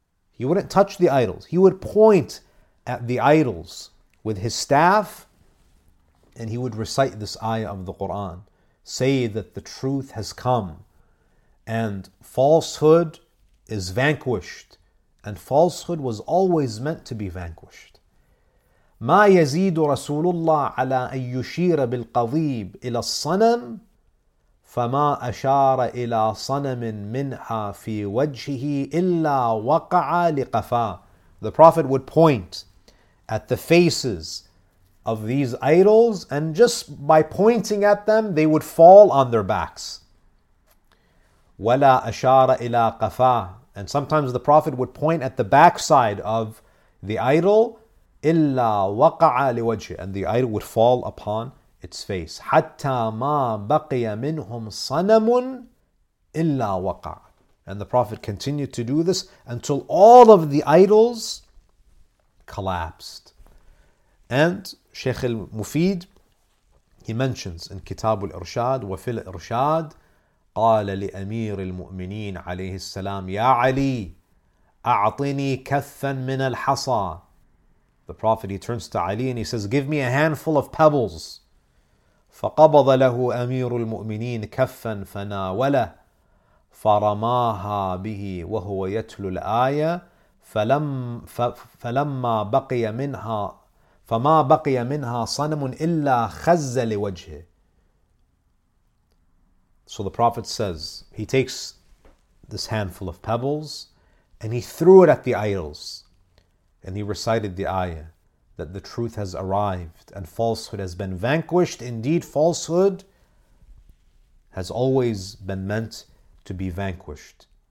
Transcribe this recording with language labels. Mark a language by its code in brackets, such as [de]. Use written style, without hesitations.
[en] He wouldn't touch the idols. He would point at the idols with his staff and he would recite this ayah of the Quran. Say that the truth has come and falsehood is vanquished. And falsehood was always meant to be vanquished. [ar] ما يزيد رسول الله على أن يشير بالقضيب إلى الصنم فما أشار إلى صنم منها في وجهه إلا وقع لقفا. [en] The Prophet would point at the faces of these idols and just by pointing at them they would fall on their backs. [ar] ولا أشار إلى قفا. [en] And sometimes the Prophet would point at the backside of the idol. [ar] إِلَّا وَقَعَ لِوَجْهِ. [en] And the idol would fall upon its face. [ar] حَتَّى مَا بَقِيَ مِنْهُمْ صَنَمٌ إِلَّا وَقَعَ. [en] And the Prophet continued to do this until all of the idols collapsed. And Shaykh al-Mufid, he mentions in Kitab al-Irshad, [ar] وَفِي الْإِرْشَادِ قال لأمير المؤمنين عليه السلام يا علي أعطني كفا من الحصى. [en] The prophet, he turns to Ali and he says, give me a handful of pebbles. [ar] فقبض له أمير المؤمنين كفا فناوله فرماها به وهو يتلو الآية فلما بقي منها فما بقي منها صنم إلا خز لوجهه. [en] So the prophet says, he takes this handful of pebbles and he threw it at the idols. And he recited the ayah that the truth has arrived and falsehood has been vanquished. Indeed, falsehood has always been meant to be vanquished.